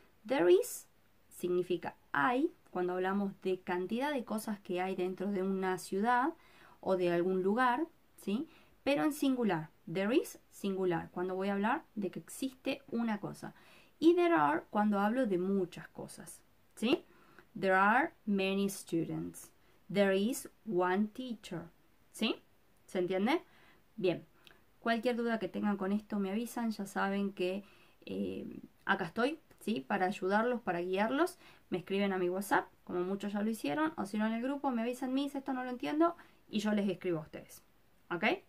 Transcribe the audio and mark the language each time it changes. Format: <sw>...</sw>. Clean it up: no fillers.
<es>There is significa hay, cuando hablamos de cantidad de cosas que hay dentro de una ciudad o de algún lugar, ¿sí? Pero en singular. There is, singular, cuando voy a hablar de que existe una cosa. Y there are, cuando hablo de muchas cosas, ¿sí?</es> <en>There are many students. There is one teacher. ¿Sí? ¿Se entiende? Bien.</en> <es>Cualquier duda que tengan con esto me avisan, ya saben que acá estoy, ¿sí? Para ayudarlos, para guiarlos, me escriben a mi WhatsApp, como muchos ya lo hicieron, o si no en el grupo, me avisan, mis, esto no lo entiendo, y yo les escribo a ustedes, ¿ok?</es>